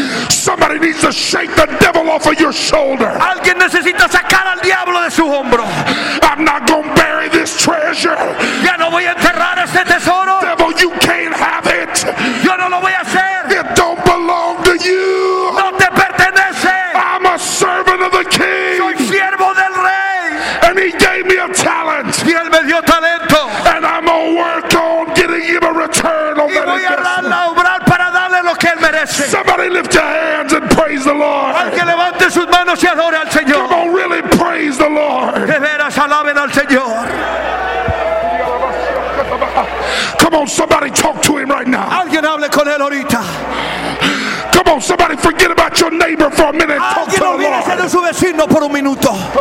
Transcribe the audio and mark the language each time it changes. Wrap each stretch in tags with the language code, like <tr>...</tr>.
<en>Somebody needs to shake the devil off of your shoulder.</en> <es>Alguien necesita sacar al diablo de su hombro.</es> <en>I'm not going to bury this treasure.</en> <es>Ya no voy a enterrar este tesoro.</es> <en>Devil, you can't have it.</en> <es>Yo no lo voy a hacer.</es> <en>It don't belong to you.</en> <es>No te pertenece.</es> <en>I'm a servant of the king.</en> <es>Soy siervo del rey.</es> <en>And he gave me a talent.</en> <es>Y él me dio talento.</es> <en>And I'm going to work on getting him a return on that investment.</en> <es>Y voy a obrar para darle lo que él merece.</es> <en>Somebody lift your hands and praise the Lord.</en> <es>Al que levante sus manos y adore al Señor.</es> <en>Come on, really praise the Lord.</en> <es>De veras, alaben al Señor.</es> <en>Come on, somebody talk to him right now.</en> <es>Alguien hable con él ahorita.</es> <en>Come on, somebody forget about your neighbor for a minute. Talk to the Lord.</en> <es>Alguien olvide su vecino por un minuto.</es>